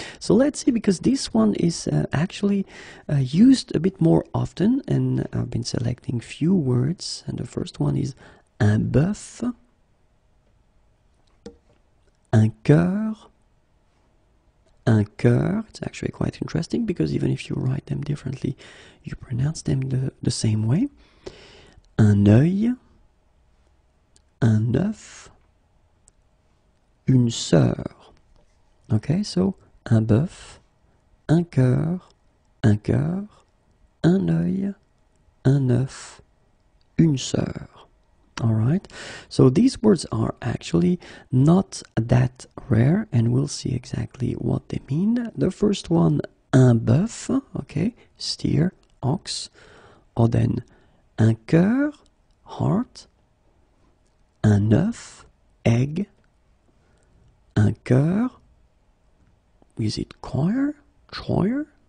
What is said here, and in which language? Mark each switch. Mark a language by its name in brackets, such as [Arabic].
[English] So let's see, because this one is actually used a bit more often, and I've been selecting few words, and the first one is [French] un bœuf, un cœur. [English] Un cœur, it's actually quite interesting, because even if you write them differently, you pronounce them the same way. [French] Un œil, un œuf, une sœur. [English] Okay, so [French] un bœuf, un cœur, un œil, un œuf, une sœur. [English] All right? So these words are actually not that rare, and we'll see exactly what they mean. The first one, un bœuf, okay, steer, ox, or then un cœur, heart, un œuf, egg, un cœur, is it choir, choir?